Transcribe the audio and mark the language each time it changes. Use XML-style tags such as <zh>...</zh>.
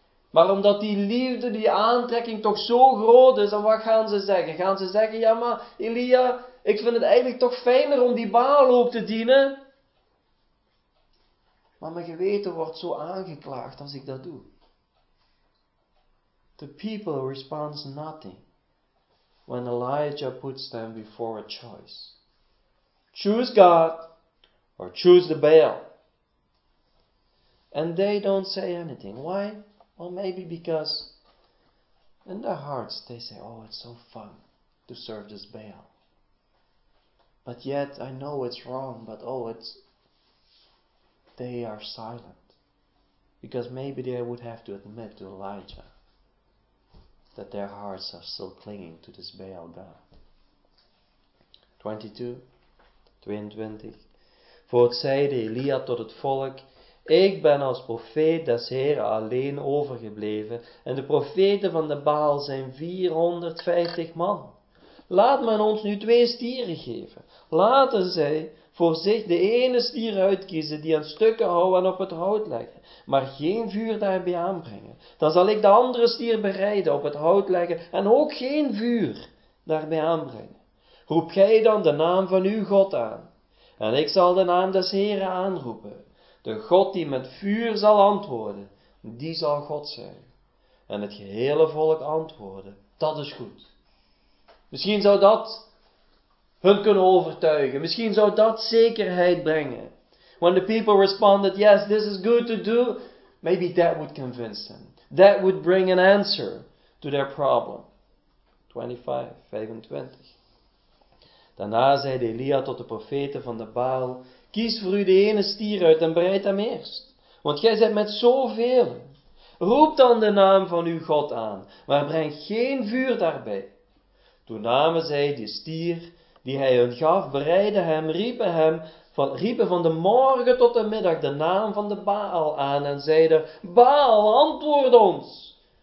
<nl>Maar omdat die liefde, die aantrekking toch zo groot is, dan wat gaan ze zeggen? Gaan ze zeggen, ja maar Elia, ik vind het eigenlijk toch fijner om die Baal ook te dienen. Maar mijn geweten wordt zo aangeklaagd als ik dat doe.</nl> <en>The people responds nothing when Elijah puts them before a choice. Choose God or choose the Baal. And they don't say anything. Why? Well, maybe because in their hearts they say, oh, it's so fun to serve this Baal. But yet, I know it's wrong, but oh, it's... They are silent. Because maybe they would have to admit to Elijah that their hearts are still clinging to this Baal God. 22:22.</en> <nl>Voor het zeide Elia tot het volk, ik ben als profeet des Heren alleen overgebleven, en de profeten van de Baal zijn 450 man. Laat men ons nu 2 stieren geven. Laten zij voor zich de ene stier uitkiezen die aan stukken houden en op het hout leggen, maar geen vuur daarbij aanbrengen. Dan zal ik de andere stier bereiden, op het hout leggen en ook geen vuur daarbij aanbrengen. Roep gij dan de naam van uw God aan, en ik zal de naam des Heren aanroepen. De God die met vuur zal antwoorden, die zal God zijn. En het gehele volk antwoorden, dat is goed. Misschien zou dat hun kunnen overtuigen. Misschien zou dat zekerheid brengen.</nl> <en>When the people responded, yes, this is good to do, maybe that would convince them. That would bring an answer to their problem. 25:25.</en> <nl>Daarna zeide Elia tot de profeten van de Baal, kies voor u de ene stier uit en bereid hem eerst, want gij zijt met zoveel. Roep dan de naam van uw God aan, maar breng geen vuur daarbij. Toen namen zij de stier die hij hun gaf, bereidden hem, riepen van de morgen tot de middag de naam van de Baal aan en zeiden, Baal, antwoord ons!</nl>